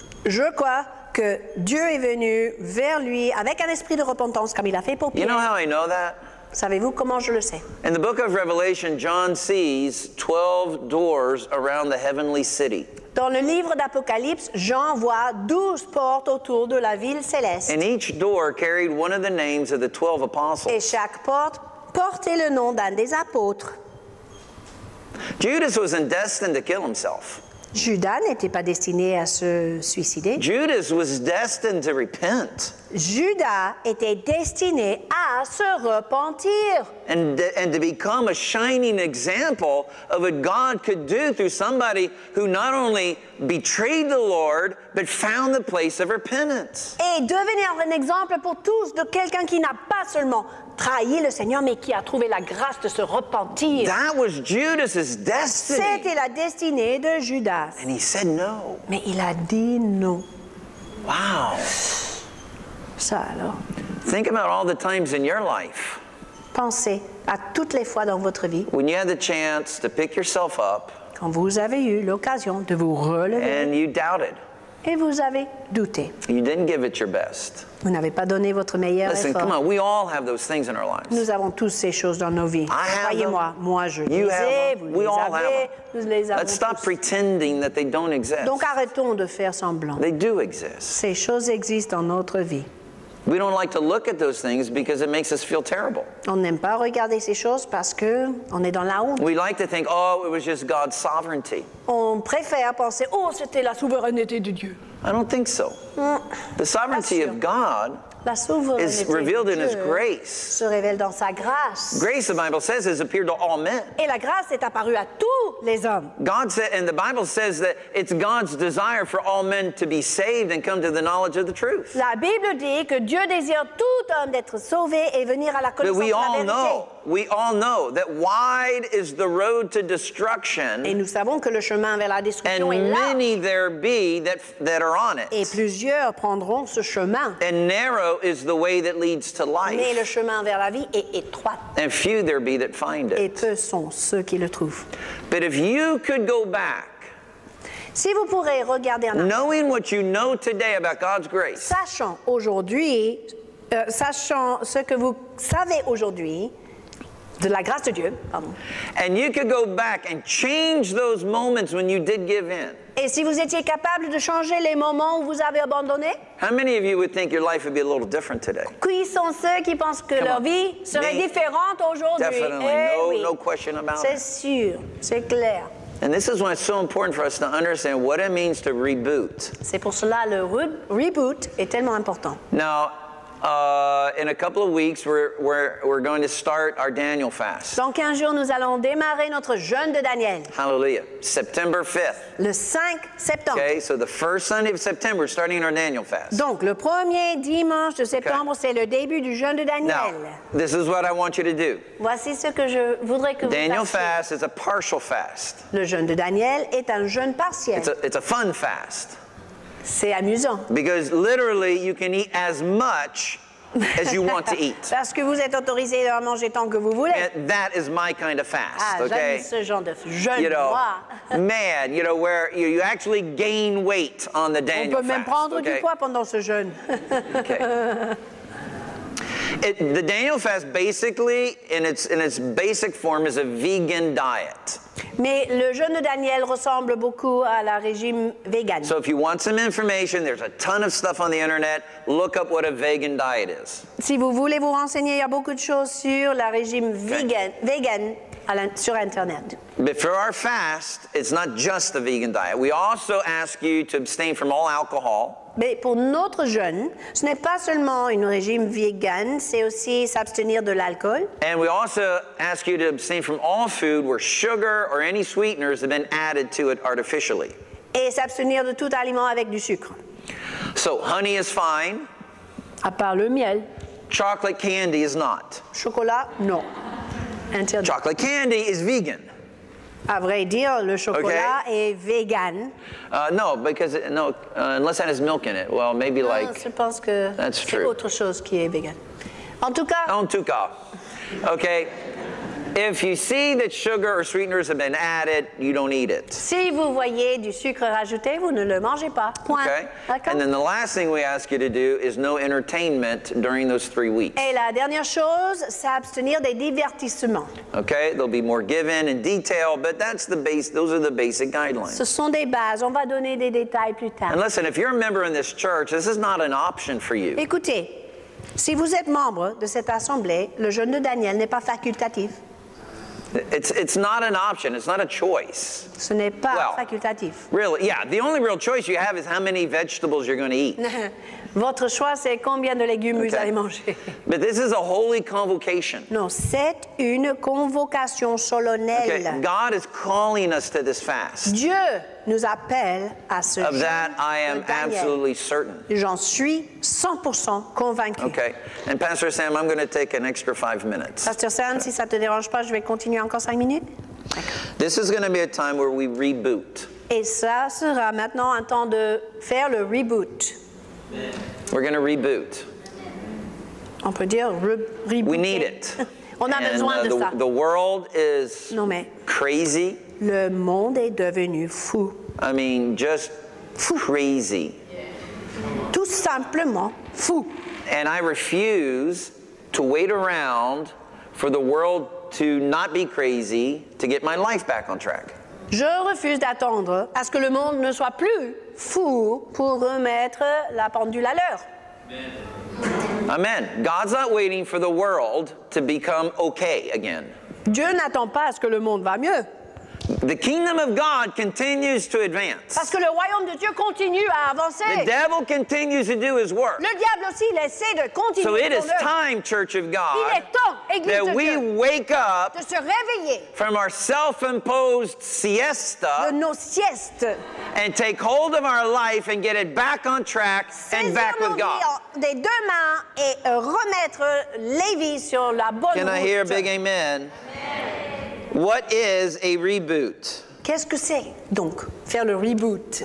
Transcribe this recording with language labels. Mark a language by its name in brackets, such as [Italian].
[French] Je crois que Dieu est venu vers lui avec un esprit de repentance comme il a fait pour Pierre. [English] You know how I know that? [French] Savez-vous comment je le sais? [English] In the book of Revelation, John sees 12 doors around the heavenly city. [French] Dans le livre d'Apocalypse, Jean voit 12 portes autour de la ville céleste. [English] And each door carried one of the names of the 12 apostles. [French] Et chaque porte portait le nom d'un des apôtres. [English] Judas was destined to kill himself. [French] Judas n'était pas destiné à se suicider. [English] Judas was destined to repent. [French] Judas était destiné à se repentir. [English] And to become a shining example of what God could do through somebody who not only betrayed the Lord but found the place of repentance. [French] Et devenir un exemple pour tous de quelqu'un qui n'a pas seulement trahi le Seigneur mais qui a trouvé la grâce de se repentir. [English] That was Judas's destiny. [French] C'était la destinée de Judas. [English] And he said no. [French] Mais il a dit non. [English] Wow. [French] Ça, alors. [English] Think about all the times in your life. [French] Pensez à toutes les fois dans votre vie. [English] When you had the chance to pick yourself up. [French] Quand vous avez eu l'occasion de vous relever. [English] And you doubted. [French] Et vous avez douté. [English] You didn't give it your best. [French] Vous n'avez pas donné votre meilleur [English] Listen, [French] effort. [English] Listen, come on. We all have those things in our lives. [French] Nous avons tous ces choses dans nos vies. [English] I have [French] Croyez-moi, [English] them. [French] Moi, je [English] you [French] les ai. [English] Have [French] vous [English] we [French] les [English] all [French] avez. [English] Have [French] nous les avons [English] Let's [French] tous. [English] Stop pretending that they don't exist. [French] Donc arrêtons de faire semblant. [English] They do exist. [French] Ces choses existent dans notre vie. [English] We don't like to look at those things because it makes us feel terrible. [French] On n'aime pas regarder ces choses parce que on est dans la honte. [English] We like to think, oh, it was just God's sovereignty. [French] On préfère penser, oh, c'était la souveraineté de Dieu. [English] I don't think so. The sovereignty of God [French] la souveraineté [English] is revealed [French] de Dieu [English] in His grace. [French] Se révèle dans sa grâce. [English] Grace, the Bible says, has appeared to all men. [French] Et la grâce est apparue à tous les hommes. [English] God said, and the Bible says that it's God's desire for all men to be saved and come to the knowledge of the truth. [French] La Bible dit que Dieu désire tout homme d'être sauvé et venir à la connaissance de la vérité. [English] We all know that wide is the road to destruction. [French] Et nous savons que le chemin vers la destruction [English] and [French] est large. [English] And many there be that are on it. [French] Et plusieurs prendront ce chemin. [English] And narrow is the way that leads to life. [French] Mais le chemin vers la vie est étroit. [English] And few there be that find it. [French] Et peu sont ceux qui le trouvent. [English] But if you could go back, [French] si vous pourrez regarder en arrière, [English] knowing what you know today about God's grace, [French] sachant aujourd'hui, sachant ce que vous savez aujourd'hui. De la grâce de Dieu, pardon. [English] And you could go back and change those moments when you did give in. [French] Et si vous étiez capable de changer les moments où vous avez abandonné? [English] How many of you would think your life would be a little different today? [French] Qui sont ceux qui pensent que leur vie serait différente aujourd'hui? [English] Definitely, no question about it. [French] C'est sûr, c'est clair. [English] And this is why it's so important for us to understand what it means to reboot. [French] C'est pour cela le reboot est tellement important. [English] Now. In a couple of weeks, we're going to start our Daniel fast. [French] Dans 15 jours, nous allons démarrer notre jeûne de Daniel. [English] Hallelujah. September 5th. [French] Le 5 septembre. [English] Okay, so the first Sunday of September, we're starting our Daniel fast. [French] Donc, le premier dimanche de septembre, okay. C'est le début du jeûne de Daniel. [English] Now, this is what I want you to do. [French] Voici ce que je voudrais que [English] Daniel [French] vous fassiez. [English] Daniel fast is a partial fast. [French] Le jeûne de Daniel est un jeûne partiel. [English] It's a fun fast. [French] C'est amusant. [English] Because literally, you can eat as much as you want to eat. [French] Parce que vous êtes autorisé à manger tant que vous voulez. [English] And that is my kind of fast. Ah, okay? [French] J'aime ce genre de jeûne. [English] You know, man, you know where you actually gain weight on the Daniel fast. [French] On peut même prendre [English] okay? [French] du poids pendant ce jeûne. [English] Okay. The Daniel fast, basically, in its basic form, is a vegan diet. [French] Mais le jeûne de Daniel ressemble beaucoup à la régime vegan. [English] So if you want some information, there's a ton of stuff on the internet. Look up what a vegan diet is. [French] Si vous voulez vous renseigner, il y a beaucoup de choses sur la régime vegan sur internet. [English] But for our fast, it's not just a vegan diet. We also ask you to abstain from all alcohol. [French] Mais pour notre jeûne, ce n'est pas seulement un régime vegan, c'est aussi s'abstenir de l'alcool. [English] And we also ask you to abstain from all food where sugar or any sweeteners have been added to it artificially. [French] Et s'abstenir de tout aliment avec du sucre. [English] So honey is fine. [French] À part le miel. [English] Chocolate candy is not. [French] Chocolat, non. Interdit. [English] Chocolate candy is vegan. [French] À vrai dire, le chocolat est vegan. [English] Unless it has milk in it. Well, maybe like... [French] Je pense que [English] that's [French] c'est [English] true. [French] Autre chose qui est vegan. En tout cas... En tout cas. Okay. [English] If you see that sugar or sweeteners have been added, you don't eat it. [French] Si vous voyez du sucre rajouté, vous ne le mangez pas. Point. Okay. D'accord. [English] And then the last thing we ask you to do is no entertainment during those 3 weeks. [French] Et la dernière chose, c'est abstenir des divertissements. [English] Okay, there'll be more given in detail, but that's the base. Those are the basic guidelines. [French] Ce sont des bases. On va donner des détails plus tard. [English] And listen, if you're a member in this church, this is not an option for you. [French] Écoutez, si vous êtes membre de cette assemblée, le jeûne de Daniel n'est pas facultatif. [English] It's not an option. It's not a choice. [French] Ce n'est pas facultatif. [English] Really, yeah. The only real choice you have is how many vegetables you're going to eat. [French] Votre choix, c'est combien de légumes vous allez manger. [English] But this is a holy convocation. [French] Non, c'est une convocation solennelle. [English] Okay. God is calling us to this fast. [French] Dieu nous appelle à ce jeûne. [English] Of that, I am absolutely certain. [French] J'en suis 100% convaincu. [English] Okay. And Pastor Sam, I'm going to take an extra 5 minutes. [French] Pasteur Sam, si ça te dérange pas, je vais continuer encore 5 minutes. [English] This is going to be a time where we reboot. [French] Et ça sera maintenant un temps de faire le reboot. [English] We're going to reboot. [French] On peut dire reboot. [English] We need it. [French] On a besoin de ça. [English] The world is crazy. [French] Le monde est devenu fou. [English] I mean, just [French] fou. [English] Crazy. [French] Tout simplement fou. [English] And I refuse to wait around for the world to not be crazy to get my life back on track. [French] Je refuse d'attendre à ce que le monde ne soit plus fou pour remettre la pendule à l'heure. [English] Amen. God's not waiting for the world to become okay again. [French] Dieu n'attend pas à ce que le monde va mieux. [English] The kingdom of God continues to advance. [French] Parce que le royaume de Dieu continue à avancer. [English] The devil continues to do his work. [French] Le diable aussi, il essaie de continuer. [English] So it is time, Church of God, [French] il est temps, Église [English] that [French] de [English] we [French] Dieu, [English] wake up [French] de se réveiller [English] from our self-imposed siesta [French] de nos siestes [English] and take hold of our life and get it back on track and back with God. [French] Saisir nos vies des deux mains et remettre les vies sur la bonne route. [English] Can I hear a big amen? Amen. What is a reboot? [French] Qu'est-ce que c'est, donc, faire le reboot?